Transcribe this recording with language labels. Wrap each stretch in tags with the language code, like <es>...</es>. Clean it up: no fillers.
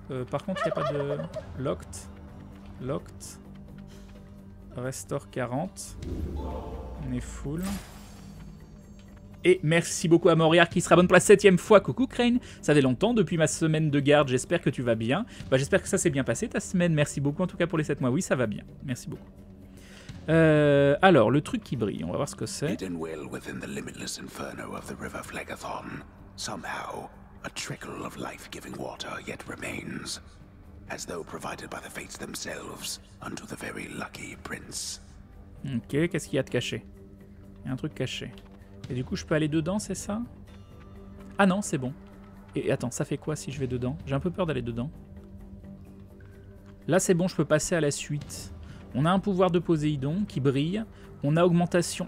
<fr>Par contre, il n'y a pas de...</fr> <en>Locked. Locked. Restore 40.</en> <fr>On est full. Et merci beaucoup à Moriar qui sera bonne pour la 7ème fois. Coucou Crane, ça fait longtemps depuis ma semaine de garde. J'espère que tu vas bien. Bah, j'espère que ça s'est bien passé ta semaine. Merci beaucoup en tout cas pour les 7 mois. Oui, ça va bien. Merci beaucoup. Alors, le truc qui brille, on va voir ce que c'est.</fr> <en>Hidden will within the limitless inferno of the river Phlegathon. Somehow, a trickle of life-giving water yet remains. As though provided by the fates themselves unto the very lucky prince.</en> <fr>Ok, qu'est-ce qu'il y a de caché? Il y a un truc caché. Et du coup, je peux aller dedans, c'est ça? Ah non, c'est bon. Et attends, ça fait quoi si je vais dedans? J'ai un peu peur d'aller dedans. Là, c'est bon, je peux passer à la suite. On a un pouvoir de Poséidon qui brille. On a augmentation.</fr>